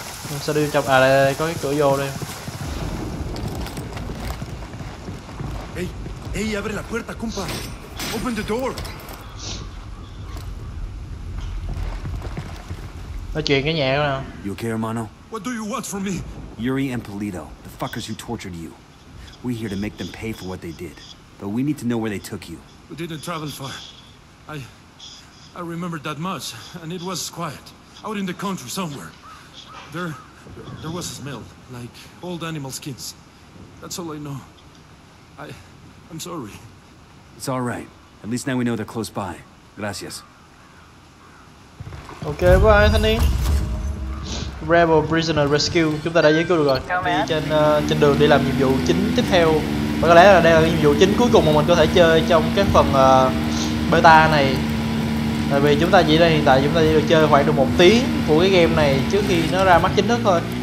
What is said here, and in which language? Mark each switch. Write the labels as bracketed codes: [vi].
[vi] Mình sẽ đi trong à đây, đây có cái cửa vô đây. [es] Hey, hey, abre la puerta, compa. [en] Open the door. [vi] Nói chuyện cái nhà đó nào. [en] You okay, Romano? What do you want from me? Yuri and Polito, the fuckers who tortured you. We're here to make them pay for what they did. But we need to know where they took you. We didn't travel far. I remembered that much, and it was quiet. Out in the country somewhere. There was a smell, like old animal skins. That's all I know. I'm sorry. It's all right. At least now we know they're close by. [es] Gracias. [en] Okay, bye, Anthony. [vi] Rebel Prisoner Rescue, chúng ta đã giải cứu được rồi. Đi trên trên đường đi làm nhiệm vụ chính tiếp theo. Và có lẽ là đây là nhiệm vụ chính cuối cùng mà mình có thể chơi trong cái phần beta này. Tại vì chúng ta chỉ là hiện tại chúng ta chỉ được chơi khoảng được 1 tiếng của cái game này trước khi nó ra mắt chính thức thôi.